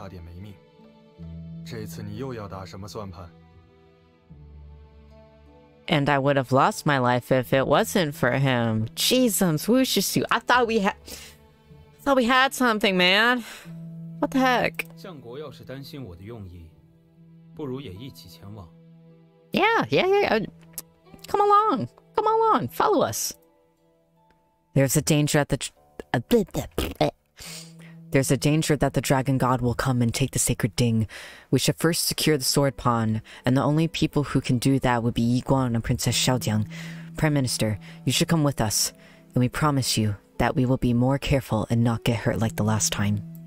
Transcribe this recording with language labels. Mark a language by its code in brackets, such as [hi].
[zh] 石一光，上次少君同意你查看剑池，结果惹出了大祸，少君也差点没命。这次你又要打什么算盘？ [en] And I would have lost my life if it wasn't for him. Jesus, Wuxia, I thought we had something, man. What the heck? [zh] 相国要是担心我的用意，不如也一起前往。 [en] Yeah. Come along. Follow us. There's a danger that the dragon god will come and take the sacred ding. We should first secure the sword pawn, and the only people who can do that would be Yi Guan and Princess Xiaoxiang. Prime Minister, you should come with us, and we promise you that we will be more careful and not get hurt like the last time.